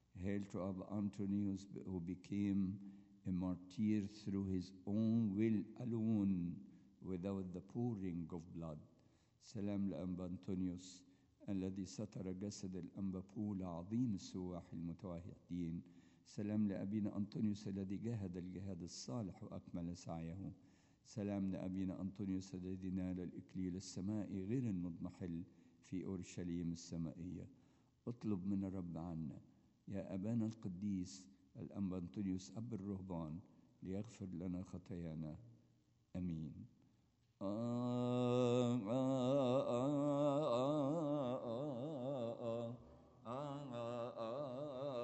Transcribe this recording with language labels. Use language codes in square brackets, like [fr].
[en] Hail to Abba Anthony, who became a martyr through his own will alone, without the pouring of blood. [ar] Salam l'Anba Antonius, الذي ستر جسد الأنبا بول عظيم السواح المتوحدين. سلام لأبينا أنطونيوس الذي جهد الجهاد الصالح وأكمل سعيه. سلام لأبينا أنطونيوس الذي نال الإكليل السمائي غير المضمحل في أورشليم السمائية. أطلب من الرب عنا يا أبانا القديس الأنبا أنطونيوس أب الرهبان ليغفر لنا خطايانا، أمين. آه آه آه آه آه آه آه آه آه آه